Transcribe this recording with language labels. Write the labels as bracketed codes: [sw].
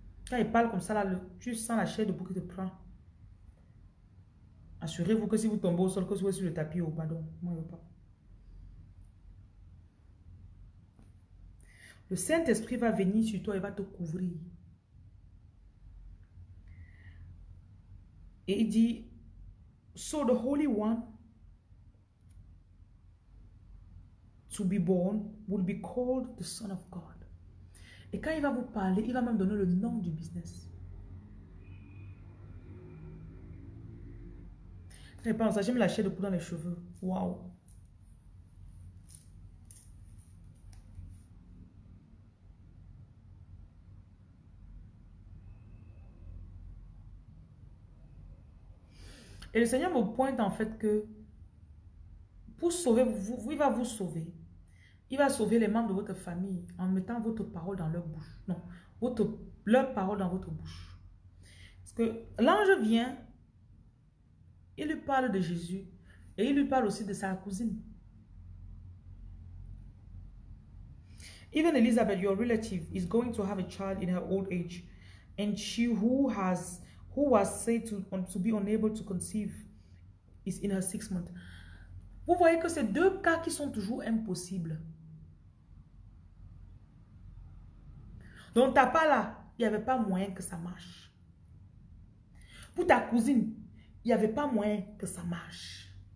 [fr] Quand il parle comme ça, là, tu sens la chair de bouc qui te prend. Assurez-vous que si vous tombez au sol, que vous soyez sur le tapis ou oh, pardon. Moi, je ne veux pas. Le Saint-Esprit va venir sur toi et va te couvrir. Et il dit, [en] so the Holy One to be born will be called the Son of God. [fr] Et quand il va vous parler, il va même donner le nom du business. Très bien, ça, j'ai mis la chair de poule dans les cheveux. Waouh! Et le Seigneur me pointe en fait que pour sauver, il va vous sauver. Il va sauver les membres de votre famille en mettant votre parole dans leur bouche. Non, leur parole dans votre bouche. Parce que l'ange vient, il lui parle de Jésus et il lui parle aussi de sa cousine. [en] Even Elizabeth, your relative, is going to have a child in her old age. And she who was said to be unable to conceive is in her sixth month. [fr] Vous voyez que c'est deux cas qui sont toujours impossibles. Donc, t'as pas là, il n'y avait pas moyen que ça marche. Pour ta cousine, il n'y avait pas moyen que ça marche.